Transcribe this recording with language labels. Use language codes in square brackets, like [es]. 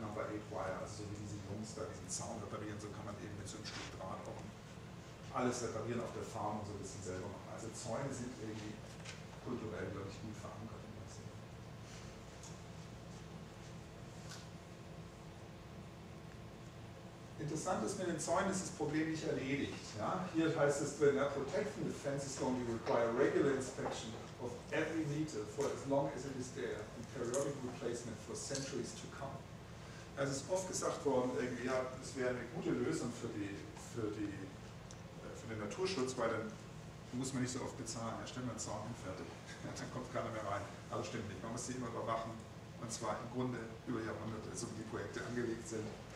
[de] Number 8 Wire, also so wie diese Jungs da diesen Zaun reparieren, so kann man eben mit so einem Stück Draht auch alles reparieren auf der Farm und so ein bisschen selber machen. Also Zäune sind irgendwie kulturell, glaube ich, gut verankert in der Szene. Interessant ist, mit den Zäunen ist das Problem nicht erledigt. Ja? [en] Hier heißt es drin, protecting the fences only require regular inspection of every meter for as long as it is there and periodic replacement for centuries to come. [de] Also es ist oft gesagt worden, irgendwie, ja, es wäre eine gute Lösung für den Naturschutz, weil dann muss man nicht so oft bezahlen, erstellt man einen Zaun und fertig. Ja, dann kommt keiner mehr rein. Aber stimmt nicht, man muss sie immer überwachen. Und zwar im Grunde über Jahrhunderte, so wie die Projekte angelegt sind.